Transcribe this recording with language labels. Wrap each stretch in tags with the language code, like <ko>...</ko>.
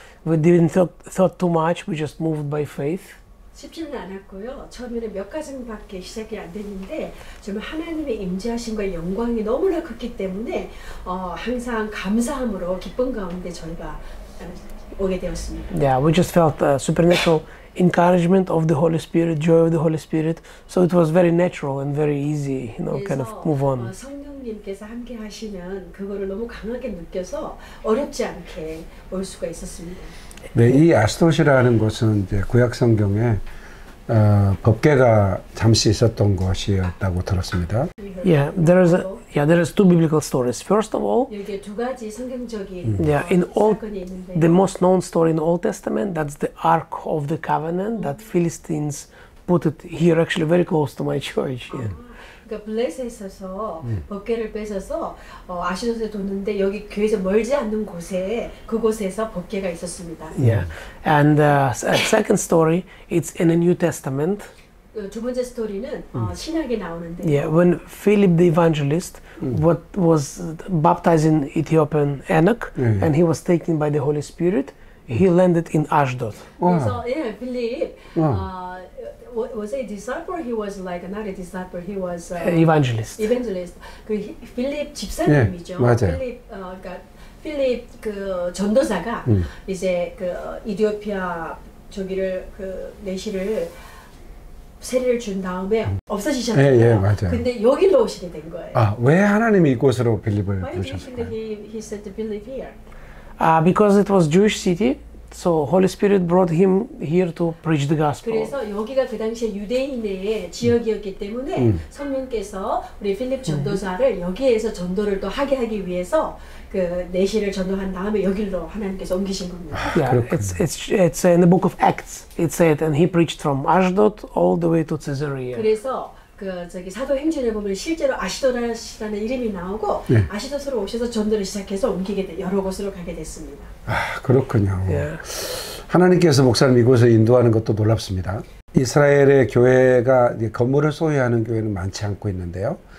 <en>We didn't thought too much. We just moved by faith.</en> <ko>쉽지는 않았고요. 처음에는 몇 가정밖에 시작이 안 됐는데, 정말 하나님의 임재하심과 영광이 너무나 컸기 때문에, 항상 감사함으로 기쁜 가운데 저희가 오게 되었습니다.</ko> <en>Yeah, we just felt supernatural encouragement of the Holy Spirit, joy of the Holy Spirit. So it was very natural and very easy, kind of</en> <ko>그래서</ko> <en>move on.</en> <ko>성령님께서 함께 하시면 그거를 너무 강하게 느껴서 어렵지 않게 올 수가 있었습니다. 네, 이 아스돗이라는 곳은 이제 구약 성경에 법궤가 잠시 있었던 곳이었다고 들었습니다.</ko> <en>Yeah, there is a Yeah, there is two biblical stories. First of all, yeah, in all the most known story in the Old Testament, that's the Ark of the Covenant that Philistines put it here, actually very close to my church. Yeah.</en> <ko>그러니까 블레셋에서 법궤를 뺏어서 아시돗에 뒀는데 여기 교회에서 멀지 않는 곳에 그곳에서 법궤가 있었습니다.</ko> <en>Yeah. And second story, it's in the New Testament.</en> <ko>두 번째 스토리는 신약에 나오는데.</ko> <en>Yeah, when Philip the Evangelist what was baptizing Ethiopian Enoch and he was taken by the Holy Spirit, he landed in Ashdod. Wow. So, yeah, Philip. Wow. Was a disciple. He was like not a disciple. He was evangelist.</en> <ko>Evangelist. 그 필립 집사님이죠. 네, 맞아요. 필립 그러니까 필립 그 전도사가 이제 그 이디오피아 저기를 그 내시를 세례를 준 다음에 없어지셨어요. 예, 예, 맞아요. 근데 여기로 오시게 된 거예요. 아, 왜 하나님이 이곳으로 필립을 부르셨을까요?</ko> <en>Why did he send Philip here? Because it was Jewish city. So Holy Spirit brought him here to preach the gospel.</en> <ko>그래서 여기가 그 당시에 유대인의 지역이었기 때문에 성령께서 우리 필립 전도사를 여기에서 전도를 또 하게 하기 위해서 그 내시를 전도한 다음에 여기로 하나님께서 옮기신 겁니다.</ko> <en>Yeah, it's in the book of Acts. It said, and he preached from Ashdod all the way to Caesarea.</en> <ko>그래서 그 저기 사도행전에 보면 실제로 아시돗이라는 이름이 나오고 네. 아시돗으로 오셔서 전도를 시작해서 옮기게 돼 여러 곳으로 가게 됐습니다. 아, 그렇군요. 예. 하나님께서 목사님 이곳에 인도하는 것도 놀랍습니다. 이스라엘의 교회가 건물을 소유하는 교회는 많지 않고 있는데요.</ko>